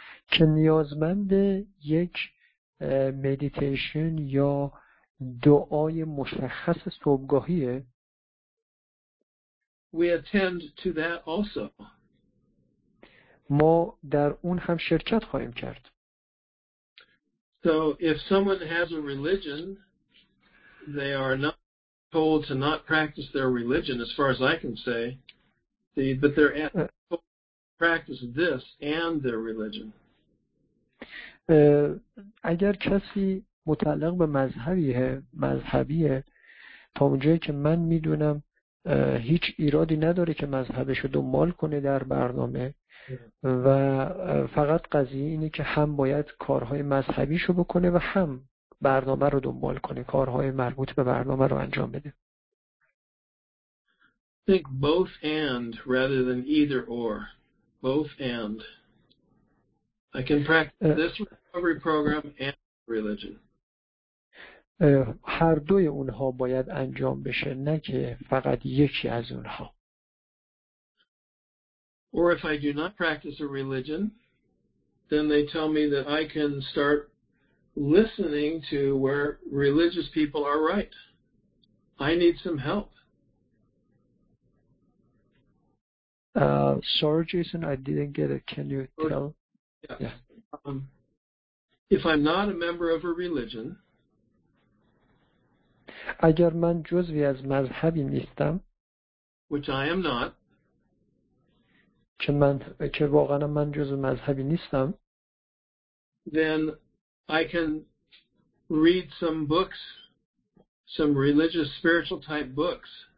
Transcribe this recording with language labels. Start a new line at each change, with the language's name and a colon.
Persian: که نیازمند یک مدیتیشن یا دعای مشخص صبحگاهیه،
English: we attend to that also.
Persian: ما در اون هم شرکت خواهیم کرد.
English: So if someone has a religion, they are not told to not practice their religion, as far as I can say. But they're told to practice this and their religion.
Persian: اگر کسی متعلق به مذهبیه تا اونجایی که من میدونم هیچ ایرادی نداره که مذهبش رو دنبال کنه در برنامه و فقط قضیه اینه که هم باید کارهای مذهبیش رو بکنه و هم برنامه رو دنبال کنه، کارهای مربوط به برنامه رو انجام بده.
English: Think both and rather than either or. Both and. I can practice this recovery program and religion.
Persian: هر دوی اونها باید انجام بشه، نه که فقط یکی از اونها.
English: Or if I do not practice a religion, then they tell me that I can start listening to where religious people are right. I need some help. Sorry, Jason, I didn't get it. Can you tell? Yeah. If I'm not a member of a religion,
Persian: اگر من جزوی از مذهبی نیستم،
English: which I am not,
Persian: که واقعا من جزء مذهبی نیستم،
English: then I can read some books, some religious spiritual type books.